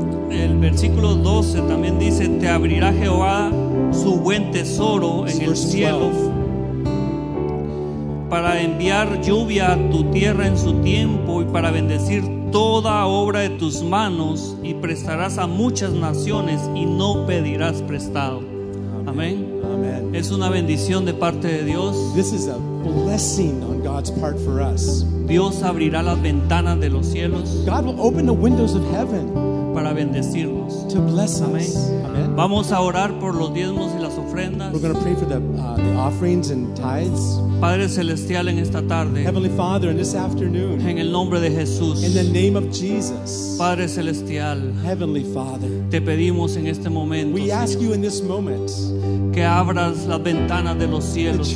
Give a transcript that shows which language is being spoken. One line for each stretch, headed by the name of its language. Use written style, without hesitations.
Spanish: El versículo 12 también dice: Te abrirá Jehová su buen tesoro en el cielo para enviar lluvia a tu tierra en su tiempo y para bendecir toda obra de tus manos, y prestarás a muchas naciones y no pedirás prestado. Amén. Es una bendición de parte de Dios.
English: This is a blessing on God's part for us.
Spanish: Dios abrirá las ventanas de los cielos.
English: God will open the windows of heaven.
Spanish: Para bendecirnos.
English: To bless us. Amen. Amen.
Spanish: Vamos a orar por los diezmos y las ofrendas.
English: We're going to pray for the offerings and tithes.
Spanish: Padre celestial, en esta tarde.
English: Heavenly Father, in this afternoon.
Spanish: En el nombre de Jesús.
English: In the name of Jesus.
Spanish: Padre celestial.
English: Heavenly Father.
Spanish: Te pedimos en este momento.
English: We ask you in this moment.
Spanish: Que abras las ventanas de los cielos.